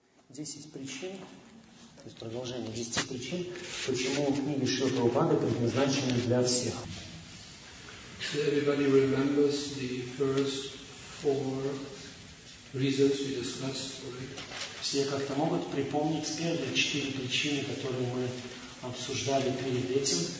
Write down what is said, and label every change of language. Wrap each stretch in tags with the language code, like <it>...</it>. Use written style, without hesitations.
<ru>10 причин, то есть продолжение 10 причин, почему книги Шрилы Прабхупады предназначены для всех.</ru> <en>So everybody remembers the first four reasons we discussed, right?</en> <ru>Все как-то могут припомнить первые 4 причины, которые мы обсуждали перед этим.</ru>